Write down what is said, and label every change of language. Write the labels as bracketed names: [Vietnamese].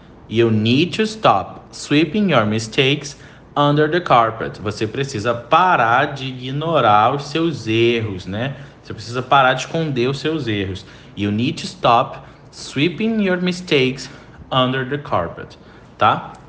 [English] You need to stop sweeping your mistakes under the carpet. [Portuguese] Você precisa parar de ignorar os seus erros, né? Você precisa parar de esconder os seus erros. [English] You need to stop sweeping your mistakes under the carpet, tá?